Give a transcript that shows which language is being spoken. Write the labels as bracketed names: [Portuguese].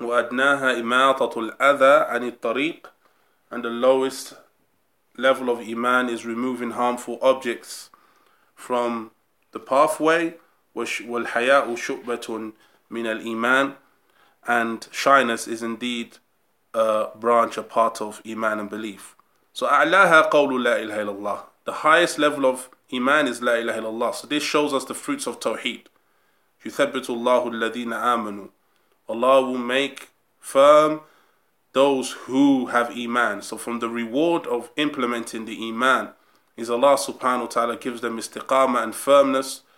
[Arabic] وأدناها إماطة الأذى عن الطريق. [English] And the lowest level of Iman is removing harmful objects from the pathway. [Arabic] والحياء شعبة من الإيمان. [English] And shyness is indeed a branch, a part of Iman and belief. [Arabic] So أعلاها قول لا إله إلا الله. [English] The highest level of Iman is La ilaha illallah. So this shows us the fruits of Tawheed. [Arabic] يُثَبِّتُ اللَّهُ الَّذِينَ آمَنُوا. [English] Allah will make firm those who have Iman. So from the reward of implementing the Iman is Allah subhanahu wa ta'ala gives them istiqamah and firmness.